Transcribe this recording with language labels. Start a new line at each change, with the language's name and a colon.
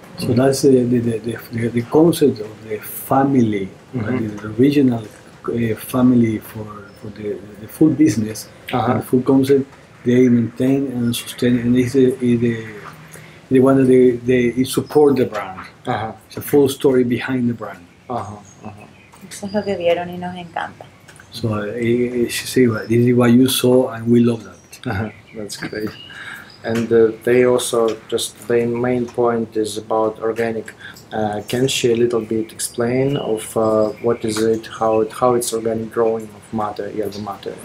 English: So that's the concept of the family, the original family for the food business, and the food concept they maintain and sustain, and it's the one that they support the brand. It's a full story behind the brand.
Spanish: Eso es lo que vieron y nos encanta.
English: So she said, "This is what you saw, and we love that." That's great. And they also just the main point is about organic. Can she a little bit explain of what is it, how it's organic growing of mate, yerba mate?